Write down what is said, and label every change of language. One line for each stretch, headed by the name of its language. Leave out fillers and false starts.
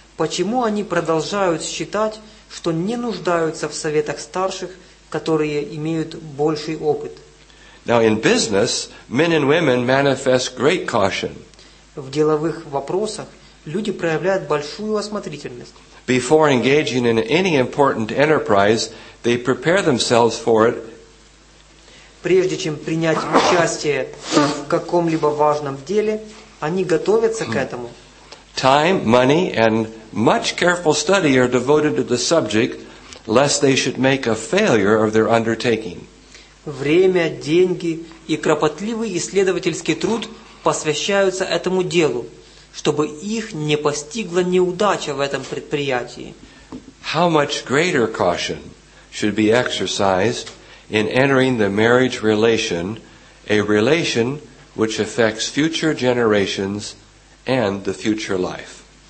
Russian: Почему они продолжают считать, что не нуждаются в советах старших, которые имеют больший опыт?
English: Now in business, men and women manifest great caution.
Russian: В деловых вопросах люди проявляют большую осмотрительность.
English: Before engaging in any important enterprise, they prepare themselves for it.
Russian: Прежде чем принять участие в каком-либо важном деле, они готовятся к этому.
English: Time, money, and much careful study are devoted to the subject, lest they should make a failure of their undertaking.
Russian: Время, деньги и кропотливый исследовательский труд посвящаются этому делу, чтобы их не постигла неудача в этом предприятии.
English: How much greater caution should be exercised in entering the marriage relation, a relation which affects future generations and the future life?